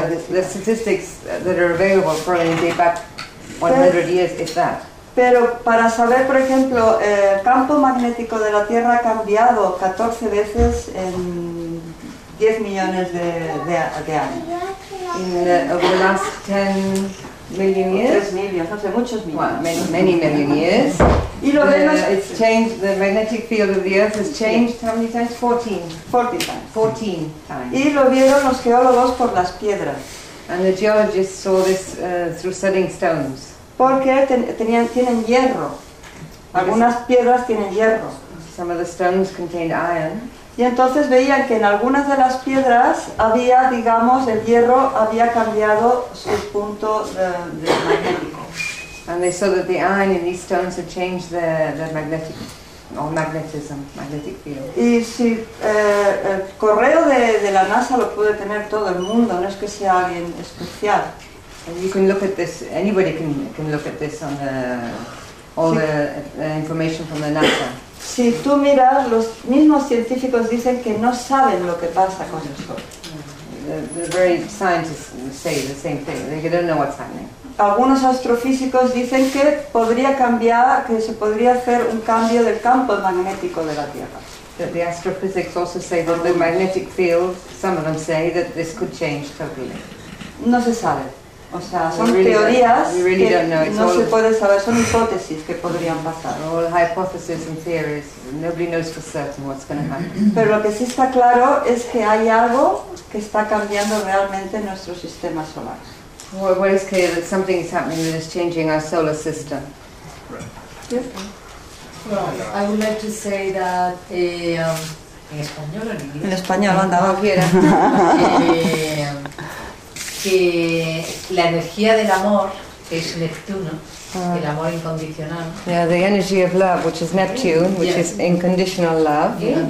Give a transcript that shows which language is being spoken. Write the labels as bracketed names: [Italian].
[English] The statistics that are available probably date back 100 years, if that. [Spanish] Pero para saber, por ejemplo, el campo magnético de la Tierra ha cambiado 14 veces en 10 millones de años. [English] Over the last 10 million years? [Spanish] 3 millones, no sé, muchos millones. [English] Well, many million years. [Spanish] Y lo vemos. [English] It's changed, the magnetic field of the Earth has changed, how many times? 14 times. [Spanish] Y lo vieron los geólogos por las piedras. [English] And the geologists saw this through studying stones. [Spanish] Porque tienen hierro. Algunas piedras tienen hierro. [English] Some of the stones contained iron. [Spanish] Y entonces veían que en algunas de las piedras había, digamos, el hierro había cambiado su punto de magnético. [English] And they saw that the iron in these stones had changed their magnetic or magnetism, magnetic field. [Spanish] Y si el correo de la NASA lo puede tener todo el mundo, no es que sea alguien especial. [English] You can look at this. Anybody can look at this on the all the information from the NASA. [Spanish] Si tú miras, los mismos científicos dicen que no saben lo que pasa con el sol. [English] The very scientists say the same thing. They don't know what's happening. [Spanish] Algunos astrofísicos dicen que podría cambiar, que se podría hacer un cambio del campo magnético de la Tierra. [English] The astrophysics also say that the magnetic field. Some of them say that this could change totally. [Spanish] No se sabe. O sea, son teorías que no se puede saber, son hipótesis que podrían pasar. [English] All hypotheses and theories. Nobody knows for certain what's going to happen. [Spanish] Pero lo que sí está claro es que hay algo que está cambiando realmente nuestro sistema solar. [English] What is clear that something is happening that is changing our solar system. Well, I would like to say that [Spanish] en español, andaba fuera. Que la energía del amor es Neptuno, el amor incondicional. [English] Yeah, the energy of love, which is Neptune, which is unconditional love.